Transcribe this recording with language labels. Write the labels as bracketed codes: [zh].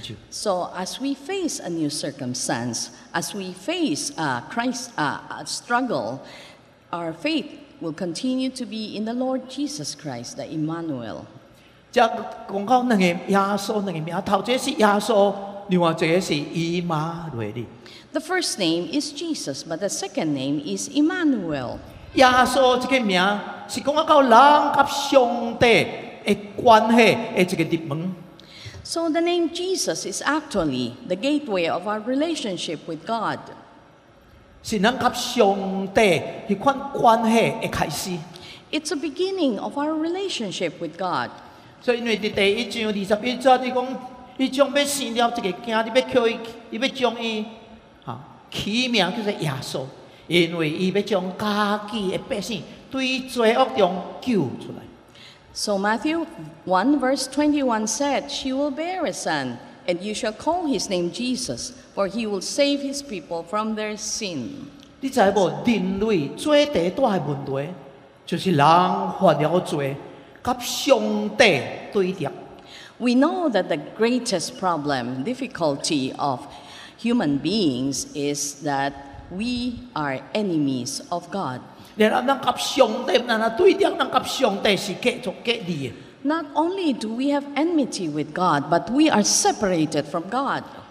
[en] So as we face a new circumstance, as we face a struggle, our faith will continue to be in the Lord Jesus Christ, the Emmanuel. [nan] 这讲到两个耶稣，两个名，头一个是耶稣，另外一个是以马内利。 [en] The first name is Jesus, but the second name is Emmanuel. [nan] 耶稣这个名是讲到人和上帝的关系的一个入门。 [en] So the name Jesus is actually the gateway of our relationship with God. [nan] 是咱甲上帝迄款关系的开始。 [en] It's a beginning of our relationship with God. So, in the [nan] 第1章21节，伊讲。伊将要生了一个囝，你要叫伊，伊要将伊，哈，起名叫做耶稣，因为伊要将家己的百姓对罪恶中救出来。 [en] So Matthew 1:21 said, "She will bear a son, and you shall call his name Jesus, for he will save his people from their sin." [nan] 你知无？人类最大的问题，就是人犯了罪，甲上帝对立。 [en] We know that the greatest problem, difficulty of human beings is that we are enemies of God. Not only do we have enmity with God, but we are separated from God.